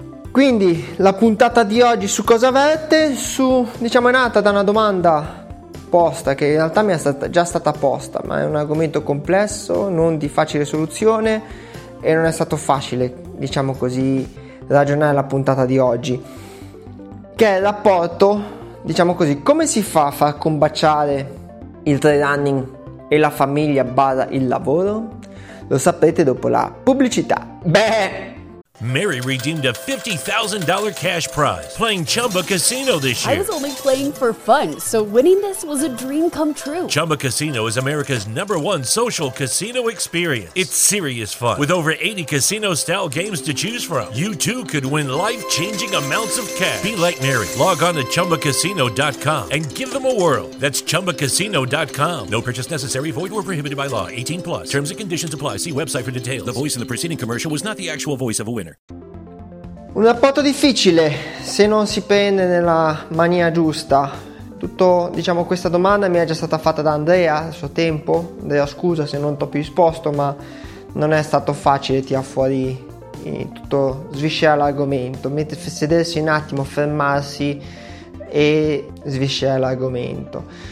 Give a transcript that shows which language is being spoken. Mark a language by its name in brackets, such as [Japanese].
[Italian] Quindi la puntata di oggi su cosa verte? È nata da una domanda posta, che in realtà mi è stata già stata posta, ma è un argomento complesso, non di facile soluzione, e non è stato facile, diciamo così, ragionare la puntata di oggi, che è il rapporto, diciamo così, come si fa a far combaciare il trail running e la famiglia / il lavoro? Lo saprete dopo la pubblicità. Beh! [English] Mary redeemed a $50,000 cash prize playing Chumba Casino this year. I was only playing for fun, so winning this was a dream come true. Chumba Casino is America's number one social casino experience. It's serious fun. With over 80 casino-style games to choose from, you too could win life-changing amounts of cash. Be like Mary. Log on to ChumbaCasino.com and give them a whirl. That's ChumbaCasino.com. No purchase necessary. Void or prohibited by law. 18+. Terms and conditions apply. See website for details. The voice in the preceding commercial was not the actual voice of a winner. [Italian] Un rapporto difficile se non si prende nella maniera giusta. Tutto, diciamo, questa domanda mi è già stata fatta da Andrea a suo tempo. Andrea, scusa se non t'ho più risposto, ma non è stato facile tirar fuori tutto, sviscerare l'argomento, sedersi un attimo, fermarsi e sviscerare l'argomento.